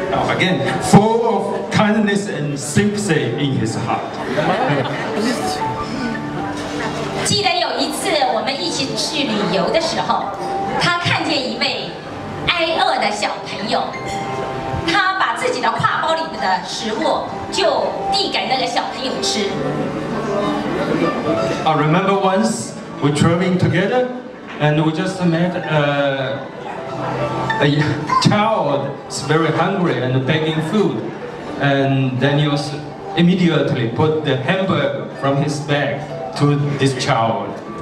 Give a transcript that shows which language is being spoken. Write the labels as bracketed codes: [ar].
[en] Again, full of kindness and sympathy in his heart. [zh] 记得有一次我们一起去旅游的时候，他看见一位挨饿的小朋友，他把自己的挎包里面的食物就递给那个小朋友吃。 [en] I remember once we traveling together, and we just met a child is very hungry and begging food, and Daniel immediately put the hamburger from his bag to this child.